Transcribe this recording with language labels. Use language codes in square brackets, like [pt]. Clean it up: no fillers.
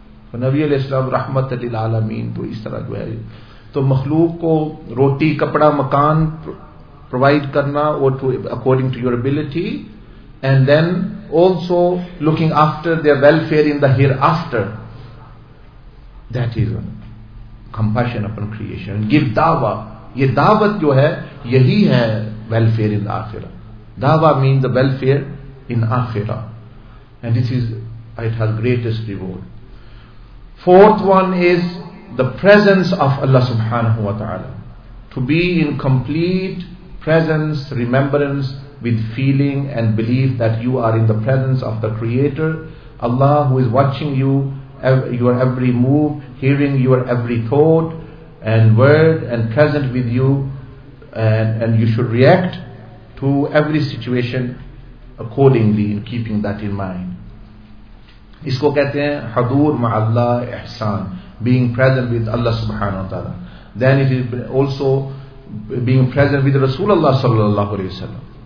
[ur] نبی علیہ السلام رحمت للعالمین, تو اس طرح جو ہے تو مخلوق کو روٹی کپڑا مکان پروائیڈ کرنا [en] according to your ability, and then also looking after their welfare in the hereafter, that is compassion upon creation. Give dawa, [ur] یہ دعوت جو ہے یہی ہے [en] welfare in the [ur] آخرہ. [en] دعوا means the welfare in آخرہ, and this is it has greatest reward. Fourth one is the presence of Allah subhanahu wa ta'ala. To be in complete presence, remembrance, with feeling and belief that you are in the presence of the Creator, Allah who is watching you, your every move, hearing your every thought and word, and present with you, and you should react to every situation accordingly in keeping that in mind. [ur] اس کو کہتے ہیں حضور مع اللہ احسان, [en] being present with Allah subhanahu wa ta'ala. Then it is also being present with Rasulullah sallallahu alayhi wa sallam.